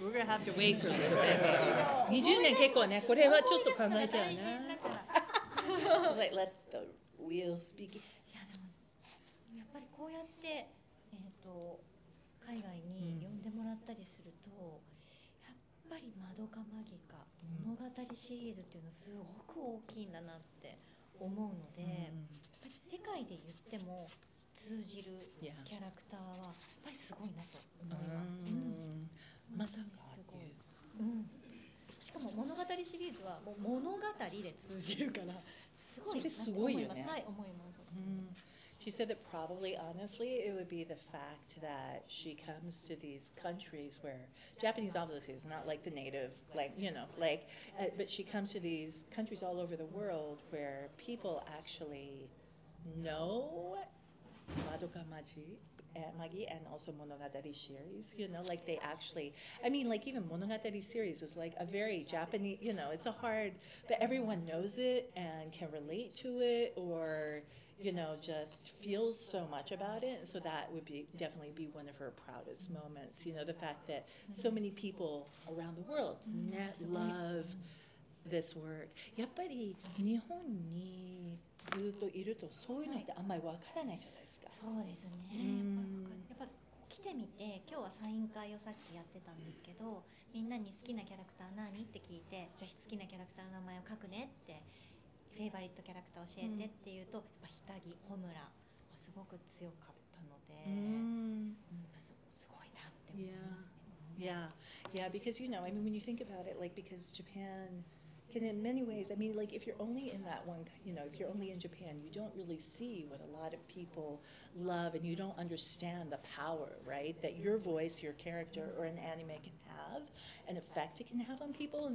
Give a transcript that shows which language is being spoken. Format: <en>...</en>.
<en>We're going to have to wait for a little bit.</en> <ja>20年結構ね、これはちょっと考えちゃうな。</ja> <en>She's like, let the wheel speak.</en> <ja>いやでも、やっぱりこうやって、海外に呼んでもらったりすると、やっぱりマドカマギカ、物語シリーズっていうのはすごく大きいんだなって思うので、世界で言っても、通じるキャラクターはやっぱりすごいなと思います。まさにすごい。うん。しかも物語シリーズはもう物語で通じるからすごいなと思います。それすごいよね。はい、思います。</ja> <en>She said that probably, honestly, it would be the fact that she comes to these countries where Japanese obviously is not like the native, like, you know, like, but she comes to these countries all over the world where people actually know. Madoka Magi and also Monogatari series, you know, like they actually, I mean, like even Monogatari series is like a very Japanese, you know, it's a hard, but everyone knows it and can relate to it or, you know, just feels so much about it. And so that would be definitely be one of her proudest moments, you know, the fact that so many people around the world love this work.</en> <ja>やっぱり日本にずっといるとそういうのってあんまりわからないじゃないですか。そうですね。やっぱ来てみて、今日はサイン会をさっきやってたんですけど、みんなに好きなキャラクター何って聞いて、じゃあ好きなキャラクターの名前を書くねって、フェイバリットキャラクター教えてっていうと、やっぱひたぎ、ほむら、すごく強かったので、すごいなって思いますね。</ja> <en>Yeah, yeah, because you know, I mean, when you think about it, like, because Japan. And in many ways, I mean, like, if you're only in that one, you know, if you're only in Japan, you don't really see what a lot of people love and you don't understand the power, right, that your voice, your character, or an anime can have, an effect it can have on people.</en>